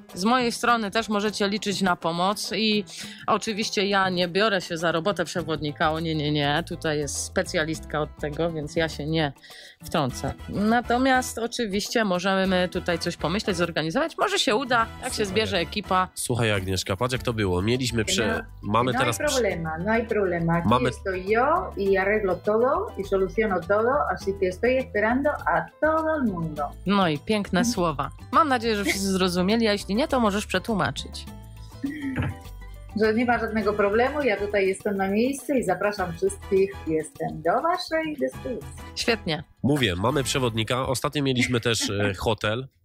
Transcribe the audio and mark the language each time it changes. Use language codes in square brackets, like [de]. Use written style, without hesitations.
[pl] Z mojej strony też możecie liczyć na pomoc i oczywiście ja nie biorę się za robotę przewodnika, o nie, tutaj jest specjalistka od tego, więc ja się nie wtrącę. Natomiast oczywiście możemy tutaj coś pomyśleć, zorganizować, może się uda, jak słuchaj, się zbierze ekipa. Słuchaj Agnieszka, patrz jak to było, mieliśmy przy... Mamy no teraz... [es] No hay problema. Aquí [pl] mamy... [es] estoy yo y arreglo todo y soluciono todo, así que estoy esperando a todo el mundo. [pl] No i piękne słowa. Mam nadzieję, że wszyscy zrozumieli, a jeśli nie, to możesz przetłumaczyć. Że nie ma żadnego problemu, ja tutaj jestem na miejscu i zapraszam wszystkich, jestem do waszej dyspozycji. Świetnie. Mówię, mamy przewodnika, ostatnio mieliśmy też hotel.